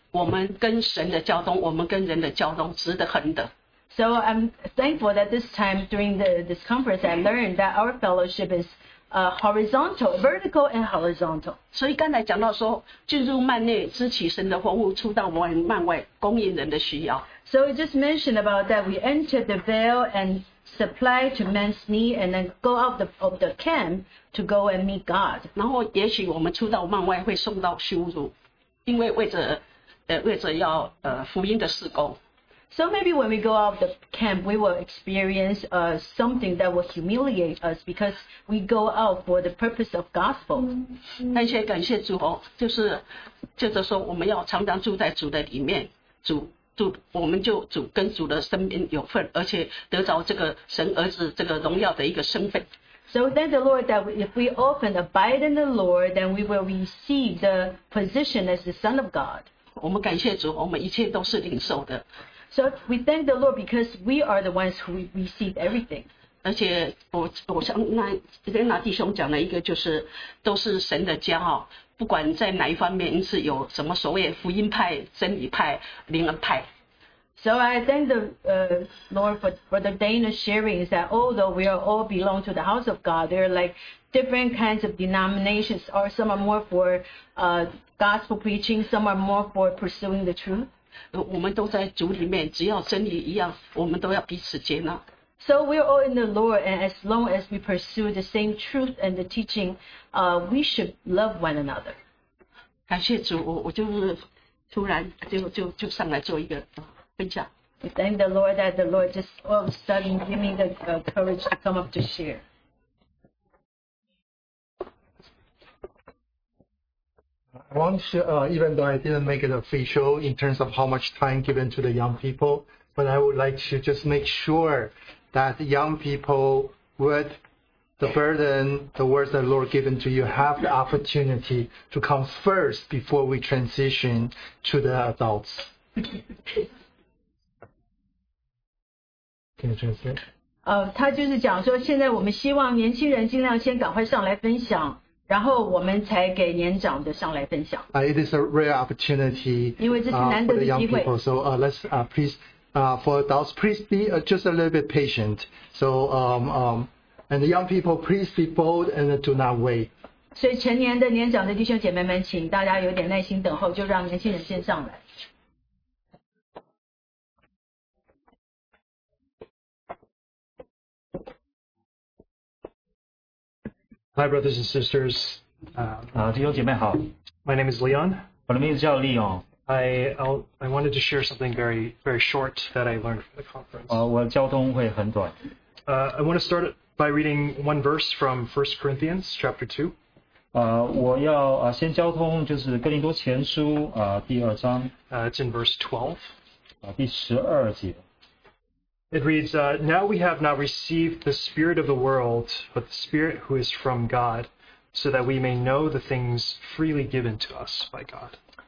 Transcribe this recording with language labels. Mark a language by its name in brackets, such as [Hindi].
[Chinese] 我们跟神的交通，我们跟人的交通，值得很的。 [English] So I'm thankful that this time during this conference, I learned that our fellowship is horizontal, vertical, and horizontal. [Chinese] 所以刚才讲到说，进入幔内，支起神的火物，出到幔外，供应人的需要。 [English] So it just mentioned about that we entered the veil and supply to man's need, and then go out of the camp to go and meet God. [Chinese] 然后也许我们出到幔外会受到羞辱，因为为着为着要福音的事工 [English] So maybe when we go out of the camp, we will experience something that will humiliate us because we go out for the purpose of gospel. [Chinese] 但是感谢主哦，就是说我们要常常住在主的里面，主我们就主跟主的生命有份，而且得着这个神儿子这个荣耀的一个身份。 [English] So thank the Lord that if we often abide in the Lord, then we will receive the position as the Son of God. [Chinese] 我们感谢主，我们一切都是领受的。 [English] So we thank the Lord because we are the ones who receive everything. [Chinese] 而且我像那跟那弟兄讲的一个就是，都是神的家哦，不管在哪一方面，是有什么所谓福音派、真理派、灵恩派。 [English] So I thank the Lord for the Danish sharing is that although we are all belong to the house of God, there are like different kinds of denominations, or some are more for gospel preaching, some are more for pursuing the truth. [Chinese] 我们都在主里面，只要真理一样，我们都要彼此接纳。 [English] So we are all in the Lord, and as long as we pursue the same truth and the teaching, we should love one another. [Chinese] 感谢主，我就是突然就上来做一个。 [English] We thank the Lord that the Lord just all of a sudden gave me the courage to come up to share. I want to share, even though I didn't make it official in terms of how much time given to the young people, but I would like to just make sure that young people would the burden, the words that the Lord given to you, have the opportunity to come first before we transition to the adults. Can you translate? [Chinese] 他就是讲说现在我们希望年轻人尽量先赶快上来分享。 [English] It is a rare opportunity for the young people. So for adults, please be just a little bit patient. So and the young people, please be bold and do not wait. [Chinese] 所以成年的年长的弟兄姐妹们，请大家有点耐心等候，就让年轻人先上来。 [English] Hi, brothers and sisters. [Chinese] 弟兄姐妹好. [English] My name is Leon. [Chinese] 我的名字叫利昂. [English] I wanted to share something very very short that I learned from the conference. [Chinese] 我交通会很短. [English] I want to start by reading one verse from 1 Corinthians chapter 2. [Chinese] 我要先交通就是哥林多前书第二章. [English] It's in verse 12. [Chinese] 第十二节. [English] It reads, Now we have not received the Spirit of the world, but the Spirit who is from God, so that we may know the things freely given to us by God.